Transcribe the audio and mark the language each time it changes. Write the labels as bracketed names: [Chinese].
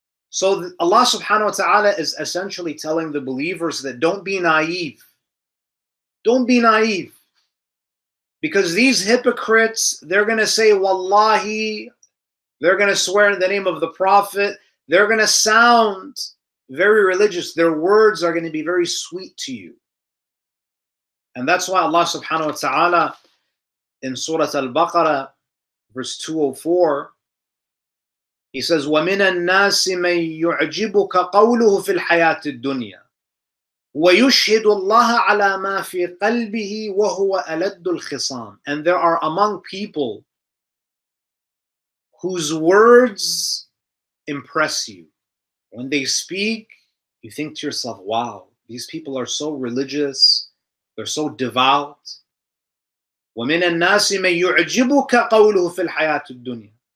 [English] So Allah subhanahu wa ta'ala is essentially telling the believers that don't be naive. Don't be naive. Because these hypocrites, they're going to say, Wallahi, they're going to swear in the name of the Prophet. They're going to sound very religious. Their words are going to be very sweet to you. And that's why Allah subhanahu wa ta'ala in Surah Al-Baqarah, verse 204, He says, [Arabic] وَمِنَ النَّاسِ مَنْ يُعْجِبُكَ قَوْلُهُ فِي الْحَيَاةِ الدُّنْيَا وَيُشْهِدُ اللَّهَ عَلَى مَا فِي قَلْبِهِ وَهُوَ أَلَدُّ الْخِصَامِ. [English] And there are among people whose words impress you. When they speak, you think to yourself, wow, these people are so religious, they're so devout. [Arabic] وَمِنَ النَّاسِ مَنْ يُعْجِبُكَ قَوْلُهُ فِي الْحَيَاةِ الدُّنْيَا.